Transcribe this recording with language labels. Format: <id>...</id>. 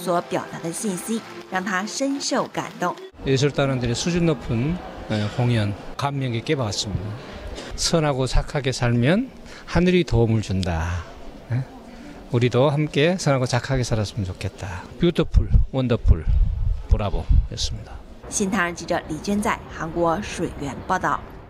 <zh>一位观众表示，神韵演出所表达的信息让他深受感动。</zh> <ko>예술단원들의 수준 높은 공연 감명 깊게 봤습니다. 선하고 착하게 살면 하늘이 도움을 준다. 우리도 함께 선하고 착하게 살았으면 좋겠다.</ko> <en>Beautiful, wonderful, bravo였습니다.</en> <zh>신타人记者李娟在韩国水源报道。</zh>